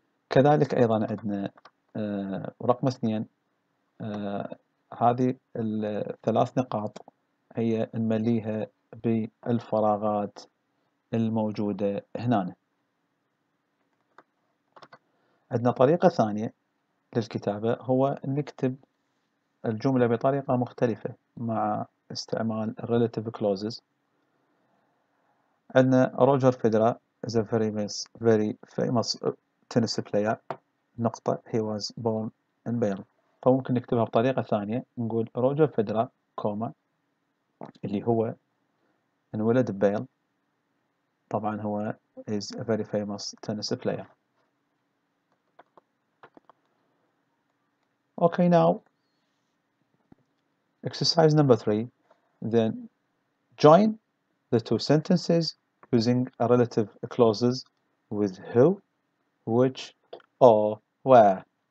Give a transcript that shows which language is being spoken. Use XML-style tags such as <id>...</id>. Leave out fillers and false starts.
<ar>كذلك أيضا عندنا رقم اثنين، هذه الثلاث نقاط هي نمليها بالفراغات الموجودة هنا. عندنا طريقة ثانية للكتابة هو نكتب الجملة بطريقة مختلفة مع استعمال relative clauses. عندنا</ar> <en>Roger Federer is a very famous tennis player.</en> <ar>نقطة،</ar> <en>he was born in Bale.</en> <ar>فممكن نكتبها بطريقة ثانية، نقول روجر فيدرر كوما اللي هو انولد بيل، طبعا هو</ar> <en>is a very famous tennis player. Okay, now exercise number three, then join the two sentences using relative clauses with who, which, or where.</en>